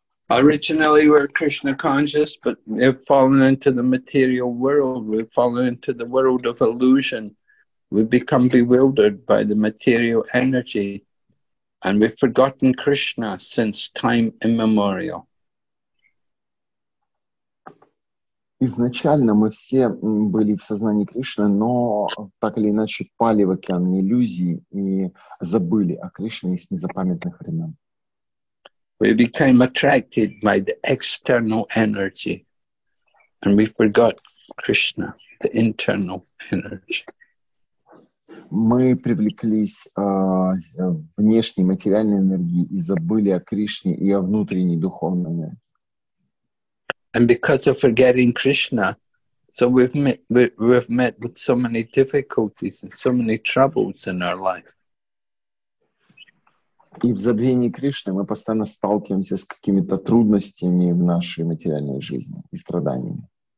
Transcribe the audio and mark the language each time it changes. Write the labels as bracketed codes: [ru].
[en] Originally, we're Krishna conscious, but we've fallen into the material world. We've fallen into the world of illusion. We've become bewildered by the material energy, and we've forgotten Krishna since time immemorial. [ru] Изначально мы все были в сознании Кришны, но так или иначе пали в океан иллюзий и забыли о Кришне с незапамятных времен. [en] We became attracted by the external energy, and we forgot Krishna, the internal energy. [ru] Мы привлеклись внешней материальной энергией и забыли о Кришне и о внутренней духовной энергии. [en] And because of forgetting Krishna, so we've met so many difficulties and so many troubles in our life. [ru] И в забвении Кришны мы постоянно сталкиваемся с какими-то трудностями в нашей материальной жизни и страданиями.